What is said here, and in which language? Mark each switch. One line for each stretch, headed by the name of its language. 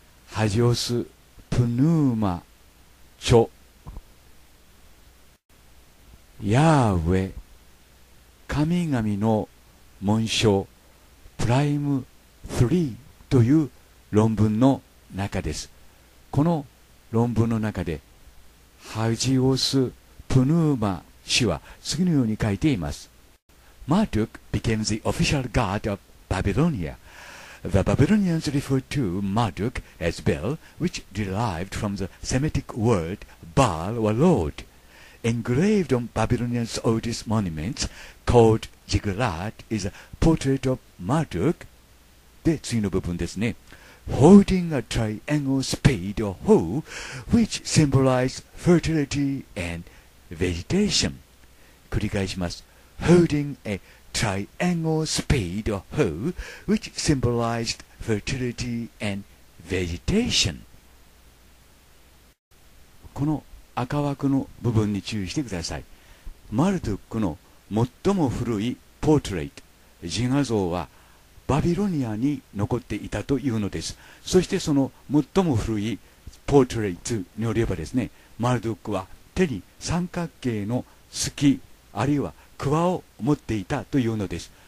Japanese: ハジオス・プヌーマ著ヤーウェ神々の紋章プライム3という論文の中です。この論文の中でハジオス・プヌーマ氏は次のように書いています。
English: Marduk became the official god of Babylonia. The Babylonians referred to Marduk as Bel, which derived from the Semitic word Baal or Lord. Engraved on Babylonians' oldest monuments called Ziggurat is a portrait of Marduk.
Japanese: で、次の部分ですね。
English: Holding a triangle spade or hoe, which symbolizes fertility and vegetation.
Japanese: 繰り返します。
English: Holding a triangle spade or hoe, which symbolized fertility and vegetation.
Japanese: この赤枠の部分に注意してください。マルドックの最も古いポートレート、自画像はバビロニアに残っていたというのです。そしてその最も古いポートレートによればですね、マルドックは手に三角形のすき、あるいはくわを持っていたというのです。